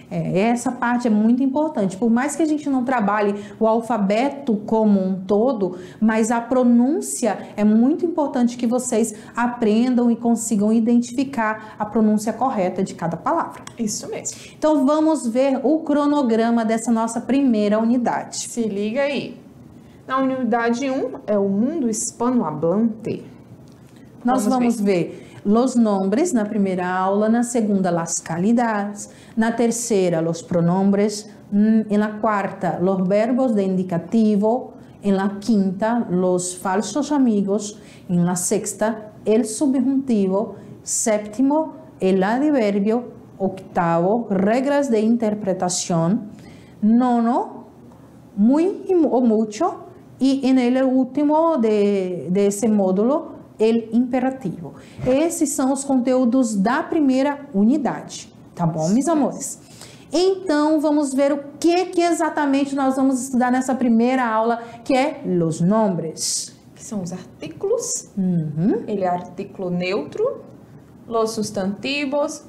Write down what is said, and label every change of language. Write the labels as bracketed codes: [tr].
[pt] Essa parte é muito importante. Por mais que a gente não trabalhe o alfabeto como um todo, mas a pronúncia é muito importante que vocês aprendam e consigam identificar a pronúncia correta de cada palavra. Isso mesmo. Então vamos ver o cronograma dessa nossa primeira unidade. Se liga aí. Na unidade 1 é o mundo hispanohablante. Vamos ver. [es] Los nombres, [pt] na primeira aula, na segunda, [es] las calidades, [pt] na terceira, [es] los pronombres, en la cuarta, los verbos de indicativo, en la quinta, los falsos amigos, en la sexta, el subjuntivo, séptimo, el adverbio, octavo, reglas de interpretación, nono, muy o mucho, y en el último de ese módulo, el imperativo. [pt] Esses são os conteúdos da primeira unidade, tá bom, meus amores? Então, vamos ver o que exatamente nós vamos estudar nessa primeira aula, que é [es] los nombres. [pt] Que são os artículos. Uhum. Ele é artículo neutro. [es] Los sustantivos.